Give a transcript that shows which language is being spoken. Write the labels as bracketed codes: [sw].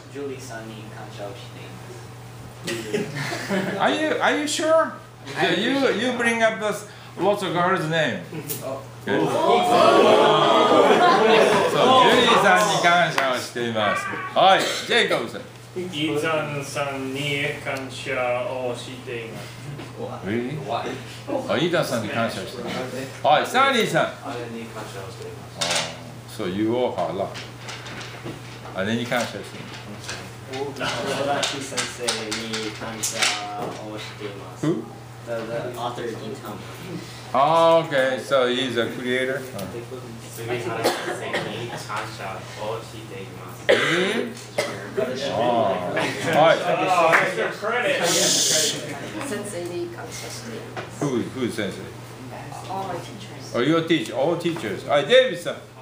[ja] ジュリーさんに感謝をしています。 [en] Are you sure? Yeah, you bring up this lots of girls' name. [ja] So, ジュリーさんに感謝をしています。はい。ジェイコブさん。イーザンさんに感謝をしています。 [en] Really? [ja] イーダンさんに感謝してます。はい、サニーさん。そう、言おうかな。あれに感謝してます。ドラキ先生に感謝をしています。 [en] The author in town. Oh, okay. So he's a creator. [ja] スミハラ先生に感謝をしています。 [en] Who is sensei? All my teachers. Oh, your teacher. All teachers. All right, David, sir.